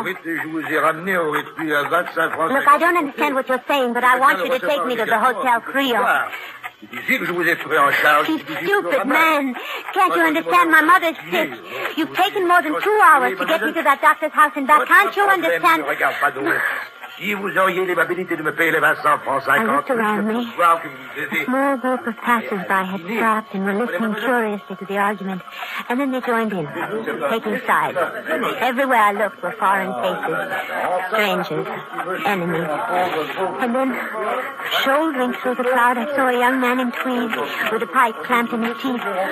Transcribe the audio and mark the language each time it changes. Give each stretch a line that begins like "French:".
English: Look, I don't understand what you're saying, but I want you to take me to the Hotel Trio. You stupid man. Can't you understand? My mother's sick. You've taken more than 2 hours to get me to that doctor's house and back. Can't you understand?
French: Si vous auriez l'amabilité de me payer les 25 francs 50...
English: I looked around me. A small group of passers-by had stopped and were listening curiously to the argument, and then they joined in, taking sides. Everywhere I looked were foreign faces, strangers, enemies. And then, shouldering through the crowd, I saw a young man in tweed with a pipe clamped in his teeth.